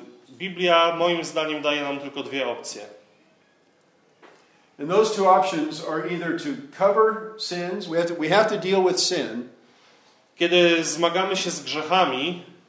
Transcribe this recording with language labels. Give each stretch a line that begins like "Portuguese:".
Polish: Biblia moim zdaniem daje nam tylko dwie opcje.
English: And those two options are either to cover sins, we have to deal with sin.
Polish: Kiedy zmagamy się z grzechami,